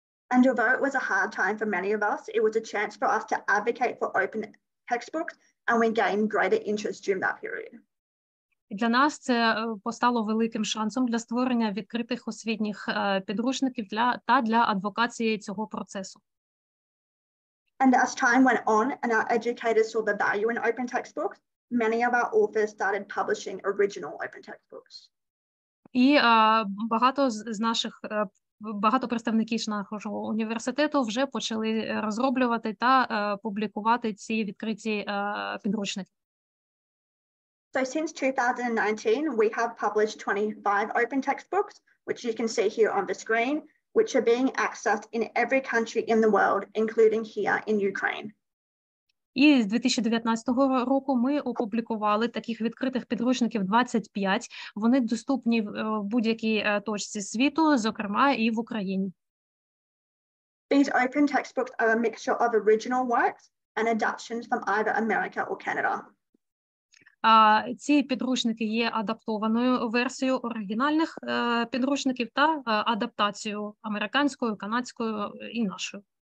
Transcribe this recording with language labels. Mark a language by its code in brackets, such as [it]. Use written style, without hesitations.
[en] And although it was a hard time for many of us, it was a chance for us to advocate for open textbooks and we gained greater interest during that period. [uk] Для нас це постало великим шансом для створення відкритих освітніх підручників для адвокації цього процесу. [en] And as time went on and our educators saw the value in open textbooks, many of our authors started publishing original open textbooks. [uk] І багато з наших багато представників нашого університету вже почали розроблювати та публікувати ці відкриті підручники. [en] So since 2019, we have published 25 open textbooks, which you can see here on the screen, which are being accessed in every country in the world, including here in Ukraine. [uk] І з 2019 року ми опублікували таких відкритих підручників 25. Вони доступні в будь-якій точці світу, зокрема і в Україні. [en] These open textbooks are a mixture of original works and adaptations from either America or Canada. [uk] Ці підручники є адаптованою версією оригінальних підручників та адаптацією американською, канадською і нашою.